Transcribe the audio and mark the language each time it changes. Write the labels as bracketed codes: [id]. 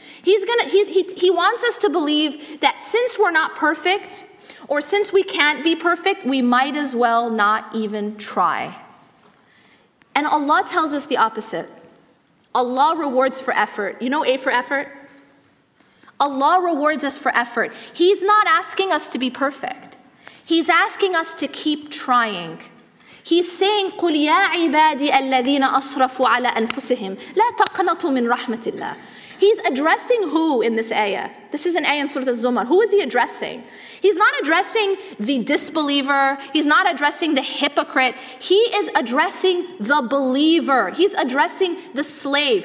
[en] He wants us to believe that since we're not perfect, or since we can't be perfect, we might as well not even try. And Allah tells us the opposite. Allah rewards for effort. You know A for effort? Allah rewards us for effort. He's not asking us to be perfect. He's asking us to keep trying. He's saying, [ar] قُلْ يَا عِبَادِيَ الَّذِينَ أَصْرَفُوا عَلَىٰ أَنفُسِهِمْ لَا تَقْنَطُوا مِنْ رَحْمَةِ اللَّهِ. [en] He's addressing who in this ayah? This is an ayah in Surah Az-Zumar. Who is he addressing? He's not addressing the disbeliever. He's not addressing the hypocrite. He is addressing the believer. He's addressing the slave.